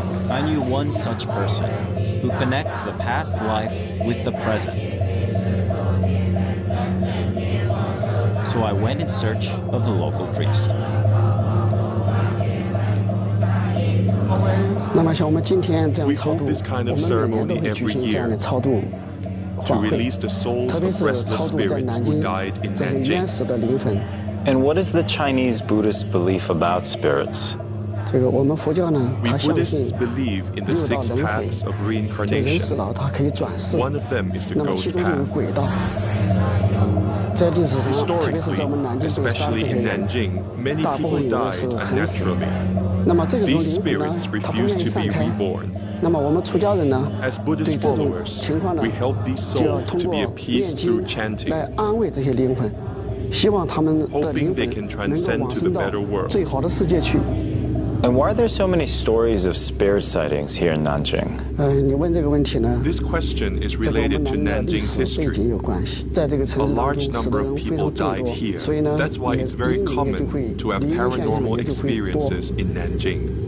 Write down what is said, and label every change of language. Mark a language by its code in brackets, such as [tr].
[en] I knew one such person who connects the past life with the present. So I went in search of the local priest. [zh] 那么像我们今天这样超度，我们每年都会举行这样的超度法会，特别是超度在南京这些冤死的灵魂。 [en] And what is the Chinese Buddhist belief about spirits? [zh] 这个我们佛教呢，它相信六道轮回，就人死了它可以转世。 [en] One of them is the ghost path. [zh] 那么其中就有鬼道，这就是什么？特别是在我们南京被杀这些人，大部分都是横死。那么这个灵魂呢，它不愿意散开。那么我们出家人呢，对这种情况呢，就要通过念经来安慰这些灵魂，希望他们的灵魂能够往生到最好的世界去。 [en] And why are there so many stories of spear sightings here in Nanjing? [zh] 你问这个问题呢 [en] This question is related to Nanjing's history. A large number of people died here. That's why it's very common to have paranormal experiences in Nanjing.